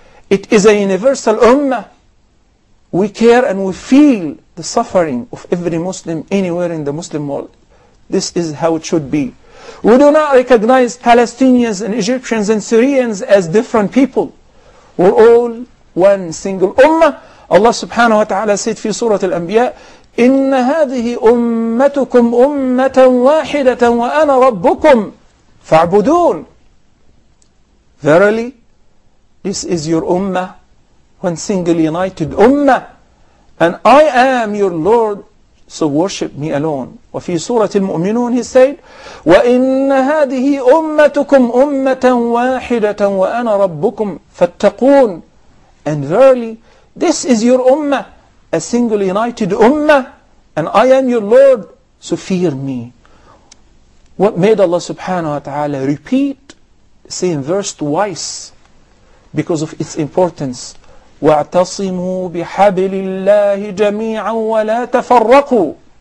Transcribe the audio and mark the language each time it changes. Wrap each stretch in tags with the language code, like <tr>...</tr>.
<en>It is a universal ummah. We care and we feel the suffering of every Muslim anywhere in the Muslim world. This is how it should be. We do not recognize Palestinians and Egyptians and Syrians as different people. We're all one single ummah. Allah subhanahu wa ta'ala said in Surah Al-Anbiya,</en> <ar>إن هذه أمتكم أمة واحدة وأنا ربكم فاعبدون.</ar> <en>Verily, this is your ummah, one single united ummah, and I am your Lord, so worship me alone.</en> <ar>وفي سورة المؤمنون</ar> <en>he said,</en> <ar>وإن هذه أمتكم أمة واحدة وأنا ربكم فاتقون.</ar> <en>And verily, this is your ummah, a single united ummah, and I am your Lord, so fear me. What made Allah subhanahu wa ta'ala repeat the same verse twice? Because of its importance.</en> <ar>وَاعْتَصِمُوا بِحَبْلِ اللَّهِ جَمِيعًا وَلَا تَفَرَّقُوا.</ar>